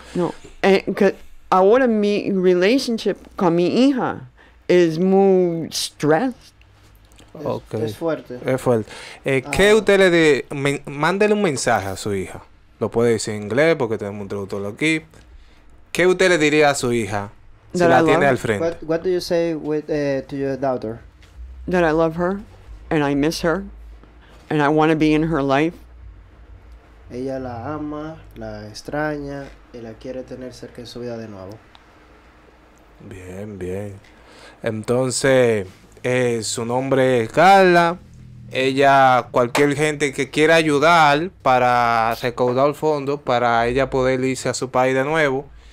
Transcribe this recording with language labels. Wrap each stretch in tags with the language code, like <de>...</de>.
<es>No, que ahora mi relationship con mi hija es muy stressed. Ok. Es fuerte. Es fuerte. ¿Qué usted le dé? Mándele un mensaje a su hija. Lo puede decir en inglés porque tenemos un traductor aquí. ¿Qué usted le diría a su hija si</es> <en>that</en> <es>la tiene al frente?</es> <en>What do you say with to your daughter? That I love her and I miss her and I want to be in her life.</en> <es>Ella la ama, la extraña y la quiere tener cerca en su vida de nuevo. Bien, bien. Entonces, su nombre es Carla. Ella, cualquier gente que quiera ayudar para recaudar fondos para ella poder irse a su país de nuevo.</es>